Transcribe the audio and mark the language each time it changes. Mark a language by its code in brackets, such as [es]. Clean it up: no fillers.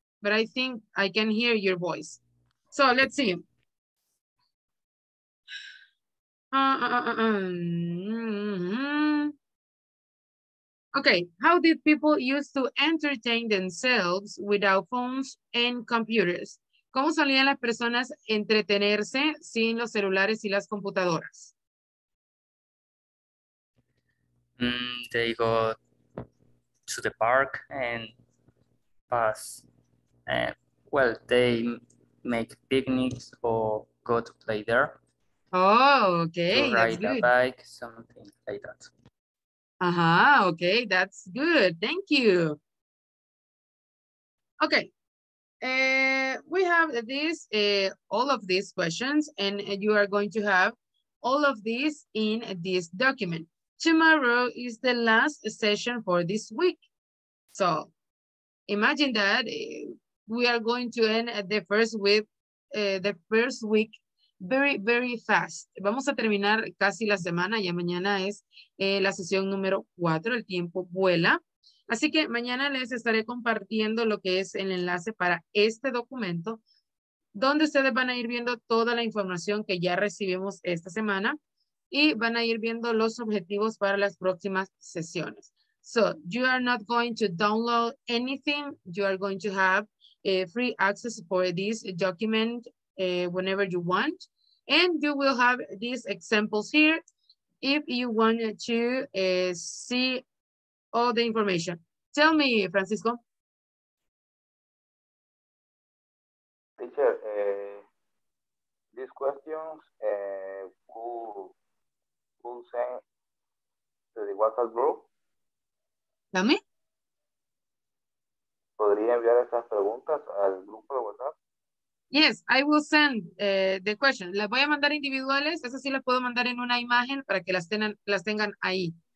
[en] But I think I can hear your voice. So let's see. Okay, how did people used to entertain themselves without phones and computers? [es] ¿Cómo solían las personas entretenerse sin los celulares y las computadoras? [en] They go to the park and pass. Well, they make picnics or go to play there. Oh, okay. To ride that's good. A bike, something like that. Okay, that's good. Thank you. Okay. We have this, all of these questions, and you are going to have all of these in this document. Tomorrow is the last session for this week. So imagine that we are going to end the first week, very, very fast. [es] Vamos a terminar casi la semana, ya mañana es la sesión número 4, el tiempo vuela. Así que mañana les estaré compartiendo lo que es el enlace para este documento, donde ustedes van a ir viendo toda la información que ya recibimos esta semana y van a ir viendo los objetivos para las próximas sesiones. [en] So, you are not going to download anything. You are going to have free access for this document whenever you want. And you will have these examples here if you want to see all the information. Tell me, Francisco. Teacher, these questions who sent to the WhatsApp group? Tell me. [es] ¿Podría enviar estas preguntas al grupo de WhatsApp? [en] Yes, I will send the questions. [es] Las voy a mandar individuales. Esas sí las puedo mandar en una imagen para que las tengan ahí.